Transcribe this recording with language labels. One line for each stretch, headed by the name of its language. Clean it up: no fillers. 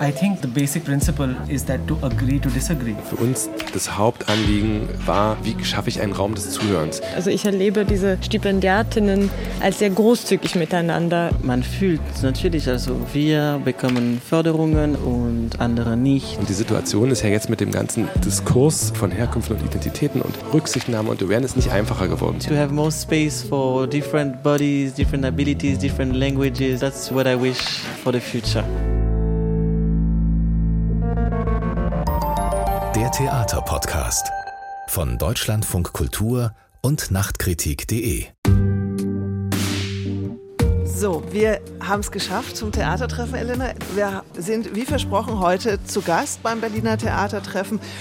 English: I think the basic principle is that to agree to disagree.
German: Für uns das Hauptanliegen war, wie schaffe ich einen Raum des Zuhörens. Also ich erlebe diese StipendiatInnen als sehr großzügig miteinander. Man fühlt natürlich, also wir bekommen Förderungen und andere nicht. Und die Situation ist ja jetzt mit dem ganzen Diskurs von Herkunft und Identitäten und Rücksichtnahme und Awareness nicht einfacher geworden.
English: To have more space for different bodies, different abilities, different languages, that's what I wish for the future.
German: Der Theaterpodcast von Deutschlandfunk Kultur und Nachtkritik.de. So, wir haben es geschafft zum Theatertreffen, Elena. Wir sind, wie versprochen, heute zu Gast beim Berliner Theatertreffen.